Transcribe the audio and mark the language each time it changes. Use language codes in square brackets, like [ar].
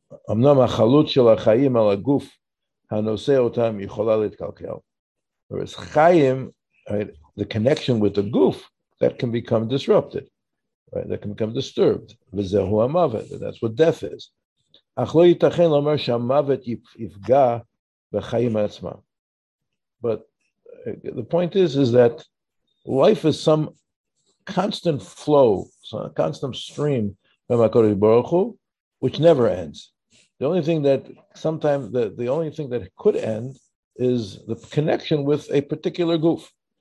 [he] אמנם החלות של החיים על הגוף הנושא אותם יכולה להתקלקל. [en] Whereas חיים, right, the connection with the goof, that can become disrupted, right, that can become disturbed. [he] וזהו המוות, [en] and that's what death is. [he] אך לא ייתכן לומר שהמוות יפגע בחיים עצמם. [en] But the point is that life is some constant flow, some constant stream from HaKadosh Baruch Hu, which never ends. The only thing that could end is the connection with a particular goof.